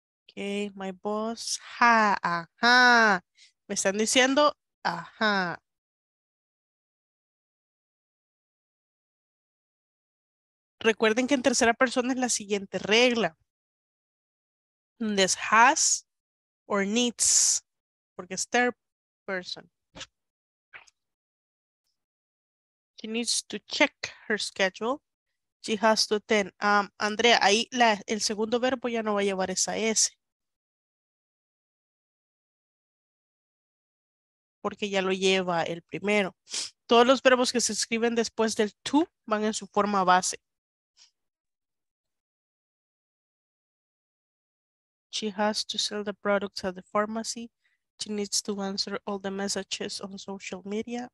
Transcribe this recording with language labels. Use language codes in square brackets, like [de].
[en] Okay, my boss. [es] Ha, ajá. Me están diciendo ajá. Recuerden que en tercera persona es la siguiente regla. [en] This has or needs, [es] porque es [en] third person. She needs to check her schedule. She has to attend. [es] Andrea, ahí la, el segundo verbo ya no va a llevar esa S. Porque ya lo lleva el primero. Todos los verbos que se escriben después del to van en su forma base. [en] She has to sell the products at the pharmacy. She needs to answer all the messages on social media.